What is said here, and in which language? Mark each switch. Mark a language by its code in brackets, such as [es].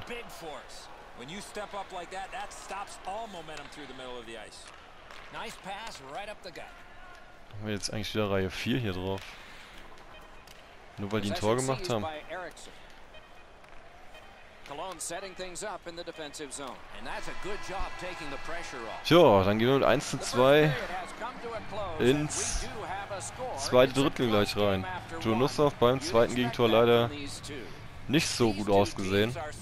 [de] Haben wir jetzt eigentlich wieder Reihe 4 hier drauf? Nur weil die ein Tor gemacht haben? [en] Cologne setting things up in the defensive zone. And that's a good job taking the pressure off. [de] Tja, dann gehen wir mit 1:2 ins zweite Drittel gleich rein. Junusov beim zweiten Gegentor leider nicht so gut ausgesehen.